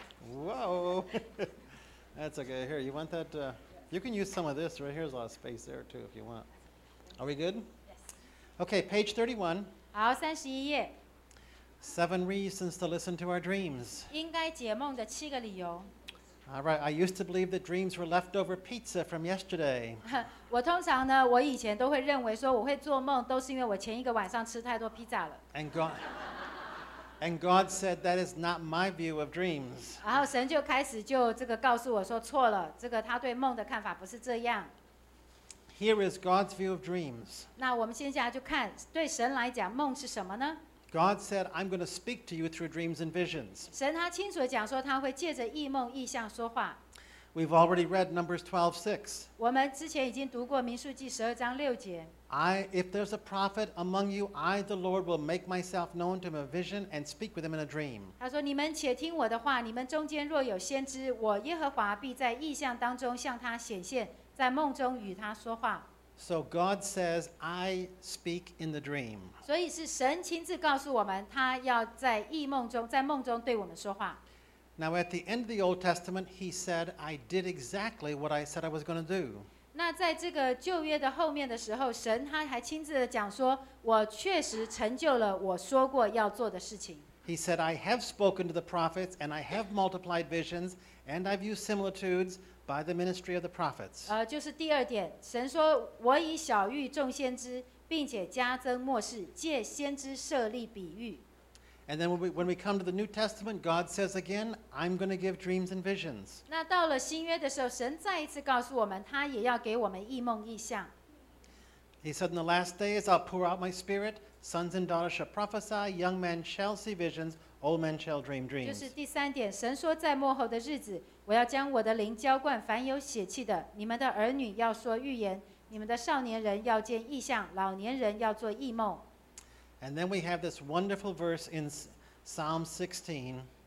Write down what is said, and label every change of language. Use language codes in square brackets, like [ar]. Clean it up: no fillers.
[en] Whoa! That's okay. Here, you want that? You can use some of this right here. There's a lot of space there too if you want. Are we good? Okay, page 31. [zh] 好, 31页。 [en] Seven reasons to listen to our dreams. [zh] 应该解梦的七个理由。 [en] All right, I used to believe that dreams were leftover pizza from yesterday. [zh] 我通常呢, 我以前都会认为说我会做梦都是因为我前一个晚上吃太多披萨了。 [en] And God said that is not my view of dreams. [zh] 然后神就开始就这个告诉我说错了, 这个他对梦的看法不是这样。 [en] Here is God's view of dreams. [zh] 那我们先下来就看, 对神来讲, 梦是什么呢? [en] God said, I'm going to speak to you through dreams and visions. [zh] 神他清楚地讲说他会借着异梦异象说话。 [en] We've already read Numbers 12:6. [zh] 我们之前已经读过民数记12:6节。 [en] If there's a prophet among you, I, the Lord, will make myself known to him in a vision and speak with him in a dream. [zh] 他说你们且听我的话,你们中间若有先知,我耶和华必在异象当中向他显现。在梦中与他说话。 [en] So God says, I speak in the dream. [zh] 所以是神亲自告诉我们, 他要在异梦中, 在梦中对我们说话。 [en] Now at the end of the Old Testament, he said, I did exactly what I said I was going to do. [zh] 那在这个旧约的后面的时候, 神他还亲自讲说, 我确实成就了我说过要做的事情。 [en] He said, I have spoken to the prophets, and I have multiplied visions, and I've used similitudes, by the ministry of the prophets. [zh] 就是第二点, 神说我以小谕众先知, 并且加增默示, 借先知设立比喻。 [en] And then when we come to the New Testament, God says again, I'm going to give dreams and visions. [zh] 那到了新约的时候, 神再一次告诉我们, 祂也要给我们异梦异象。 [en] He said, in the last days, I'll pour out my spirit, sons and daughters shall prophesy, young men shall see visions, old men shall dream dreams. [zh] 就是第三点, 神说在末后的日子, 我要将我的灵浇灌凡有血气的，你们的儿女要说预言，你们的少年人要见异象，老年人要做异梦。 [en] And then we have this wonderful verse in Psalm 16.